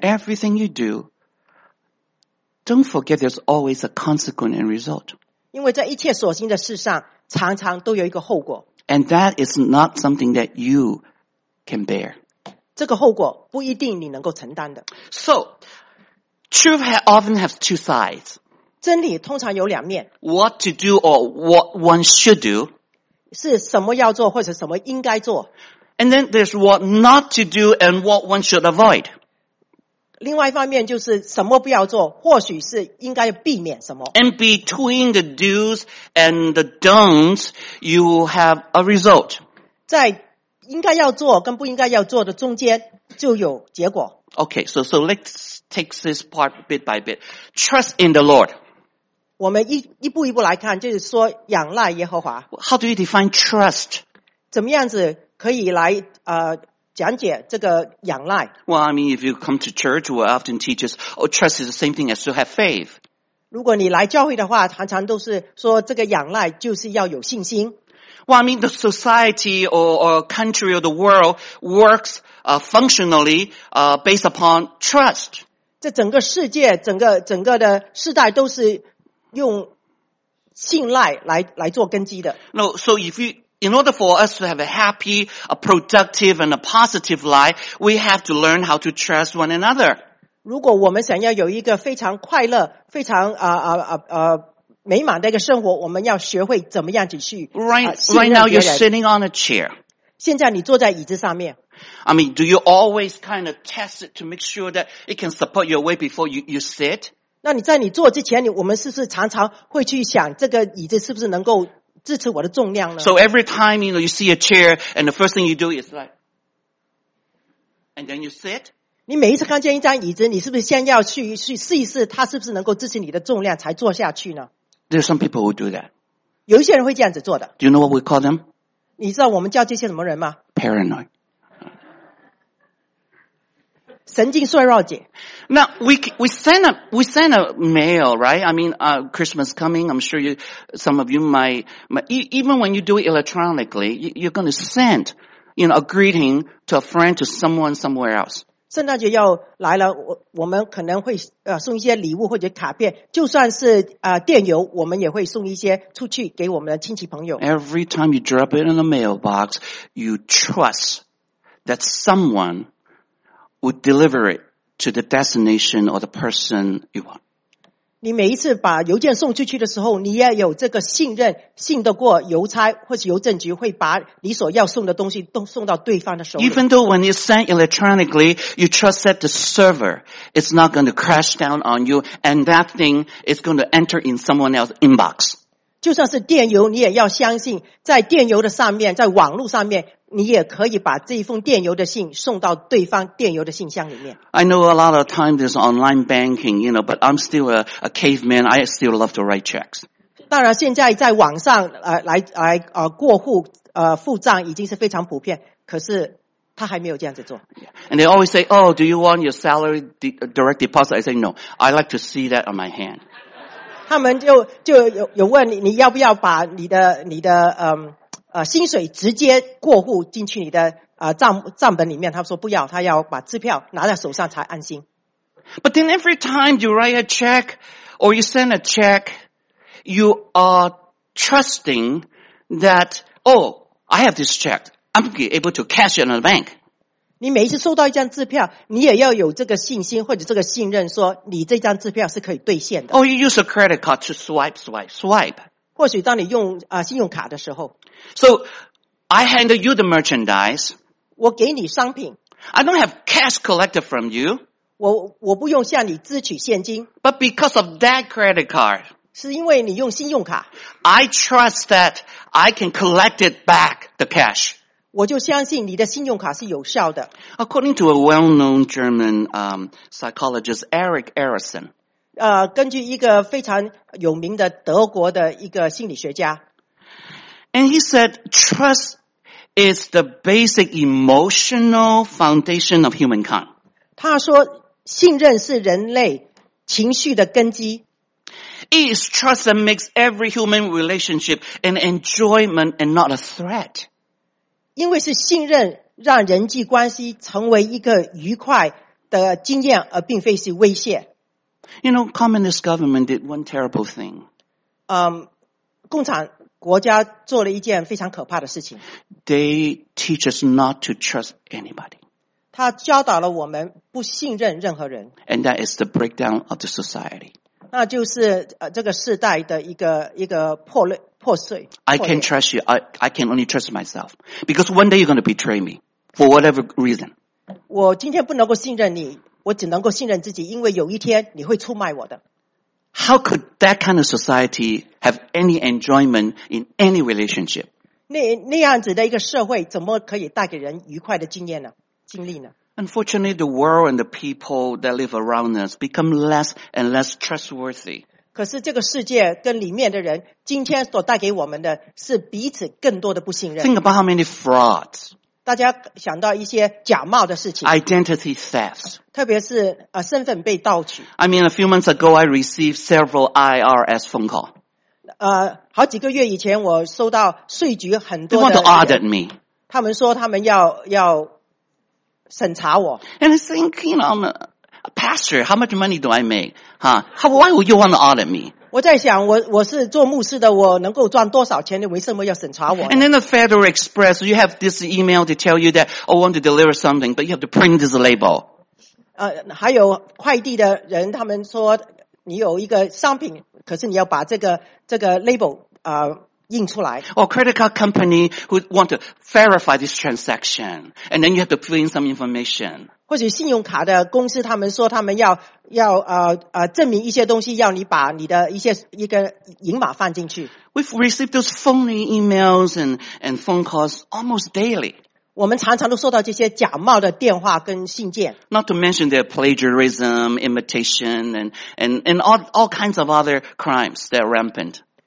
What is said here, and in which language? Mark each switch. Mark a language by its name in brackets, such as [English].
[English] But in everything you do, don't forget there's always a consequence and result. [Chinese] 因为在一切所行的事上，常常都有一个后果。 [English] And that is not something that you can bear. [Chinese] 这个后果不一定你能够承担的。 [English] So, truth often has two sides. [Chinese] 真理通常有两面。 [English] What to do or what one should do. [Chinese] 是什么要做或者什么应该做。 [English] And then there's what not to do and what one should avoid. [Chinese] 另外一方面就是什么不要做或许是应该避免什么。 [English] And between the do's and the don'ts, you have a result. [Chinese] 在应该要做跟不应该要做的中间就有结果。 [English] Okay, so let's take this part bit by bit. Trust in the Lord. [Chinese] 我们 一步一步来看，就是说仰赖耶和华。 [English] How do you define trust? [Chinese] 怎么样子可以来讲解这个仰赖？ [English] Well, I mean, if you come to church, we often teach us, oh, trust is the same thing as to have faith. [Chinese] 如果你来教会的话，常常都是说这个仰赖就是要有信心。 [English] Well, I mean, the society or country or the world works functionally based upon trust. [Chinese] 这整个世界，整个的世代都是用信赖来做根基的。 [English] No, so if you, in order for us to have a happy, a productive and a positive life, we have to learn how to trust one another. [Chinese] 如果我们想要有一个非常快乐，非常美满的一个生活，我们要学会怎么样子去信任别人。 [English] Right now you're sitting on a chair. [Chinese] 现在你坐在椅子上面。 [English] I mean, do you always kind of test it to make sure that it can support your weight before you sit? [Chinese] 那你在你坐之前，我们是不是常常会去想这个椅子是不是能够支持我的重量呢？ [English] So every time you know you see a chair, and the first thing you do is like, and then you sit. [Chinese] 你每一次看见一张椅子，你是不是先要去试一试它是不是能够支持你的重量才坐下去呢？ [English] There are some people who do that. [Chinese] 有一些人会这样子做的。 [English] Do you know what we call them? [Chinese] 你知道我们叫这些什么人吗？ [English] Paranoid. [Chinese] 神经衰弱姐。 [English] Now, we send a mail, right? I mean, Christmas coming, I'm sure some of you might, even when you do it electronically, you're gonna send, you know, a greeting to a friend, to someone somewhere else. [Chinese] 圣诞节要来了，我们可能会送一些礼物或者卡片，就算是电邮，我们也会送一些出去给我们的亲戚朋友。 [English] Every time you drop it in the mailbox, you trust that someonewould deliver it to the destination or the person you want. [Chinese] 你每一次把邮件送出去的时候，你要有这个信任，信得过邮差或是邮政局会把你所要送的东西都送到对方的手里。 [English] Even though when you send electronically, you trust that the server is not going to crash down on you and that thing is going to enter in someone else's inbox. [Chinese] 就算是电邮，你也要相信在电邮的上面，在网络上面，你也可以把这一封电邮的信送到对方电邮的信箱里面。 [English] I know a lot of times there's online banking, you know, but I'm still a caveman. I still love to write checks. [Chinese] 当然，现在在网上来过户付账已经是非常普遍，可是他还没有这样子做。 [English] And they always say, "Oh, do you want your salary direct deposit?" I say, "No, I like to see that on my hand." [Chinese] 他们就有问你要不要把你的薪水直接过户进去你的账本里面，他说不要，他要把支票拿在手上才安心。 [English] But then every time you write a check or you send a check, you are trusting that, oh, I have this check, I'm able to cash it in the bank. [Chinese] 你每一次收到一张支票，你也要有这个信心或者这个信任，说你这张支票是可以兑现的。 [English] Oh, you use a credit card to swipe, swipe, swipe. [Chinese] 或许当你用信用卡的时候。 [English] So, I handle you the merchandise. [Chinese] 我给你商品。 [English] I don't have cash collected from you. [Chinese] 我不用向你支取现金。 [English] But because of that credit card. [Chinese] 是因为你用信用卡。 [English] I trust that I can collect it back, the cash. [Chinese] 我就相信你的信用卡是有效的。 [English] According to a well-known German psychologist, Eric Erikson, [Chinese] 根据一个非常有名的德国的一个心理学家。 [English] And he said, trust is the basic emotional foundation of humankind. [Chinese] 他说信任是人类情绪的根基。 [English] It is trust that makes every human relationship an enjoyment and not a threat. [Chinese] 因为是信任让人际关系成为一个愉快的经验而并非是威胁。 [English] You know, communist government did one terrible thing. [Chinese] 共产国家做了一件非常可怕的事情。 [English] They teach us not to trust anybody. [Chinese] 他教导了我们不信任任何人。 [English] And that is the breakdown of the society. [Chinese] 那就是这个世代的一个破碎。 [English] I can't trust you. I can only trust myself. Because one day you're going to betray me. For whatever reason. [Chinese] 我今天不能够信任你。我只能够信任自己，因为有一天你会出卖我的。 [English] How could that kind of society have any enjoyment in any relationship? [Chinese] 那样子的一个社会怎么可以带给人愉快的经验呢？经历呢？ [English] Unfortunately, the world and the people that live around us become less and less trustworthy. [Chinese] 可是这个世界跟里面的人今天所带给我们的是彼此更多的不信任。 [English] Think about how many frauds. [Chinese] 大家想到一些假冒的事情。 [English] Identity thefts. [Chinese] 特别是身份被盗取。 [English] I mean, a few months ago, I received several IRS phone calls. [Chinese] 好几个月以前我收到税局很多的。 [English] They want to audit me. [Chinese] 他们说他们要审查我。 [English] And I think, you know,Pastor, how much money do I make? Huh? Why would you want to audit me? [Chinese] 我在想，我是做牧师的，我能够赚多少钱？你为什么要审查我？ [English] And then the Federal Express, you have this email to tell you that I want to deliver something, but you have to print this label. [Chinese] 还有快递的人，他们说你有一个商品，可是你要把这个 label 印出来。 [English] Or credit card company who want to verify this transaction, and then you have to fill in some information. [Chinese] 或者信用卡的公司，他们说他们要证明一些东西，要你把你的一个银码放进去。 [English] We've received those phony emails and phone calls almost daily. [Chinese] 我们常常都收到这些假冒的电话跟信件。 [English] Not to mention their plagiarism, imitation, and all kinds of other crimes that are rampant.